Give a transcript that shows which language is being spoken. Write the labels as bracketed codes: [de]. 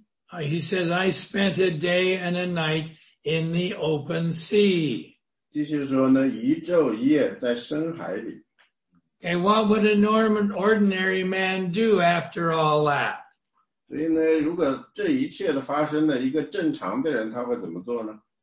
[en] And he says, I spent a day and a night in the open sea. [zh] 继续说呢，一昼一夜在深海里。 [en] Okay, what would a normal, ordinary man do after all that? [zh] 所以呢，如果这一切的发生呢，一个正常的人他会怎么做呢？